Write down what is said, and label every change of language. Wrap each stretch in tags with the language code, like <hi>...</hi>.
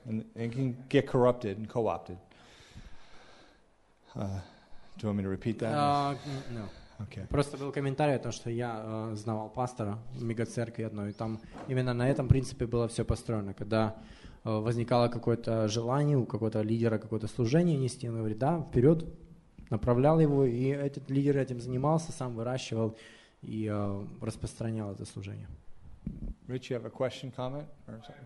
<en>And it can get corrupted and co-opted. Do you want me to repeat that? No. Okay.</en> <ru>Просто был комментарий о том, что я знавал пастора в мегацеркви одной, и там именно на этом принципе было все построено. Когда возникало какое-то желание у какого-то лидера, какое-то служение нести, он говорит, да, вперед, направлял его, и этот лидер этим занимался, сам выращивал и распространял это служение.</ru> <en>Rich, you have a question, comment, or something?</en>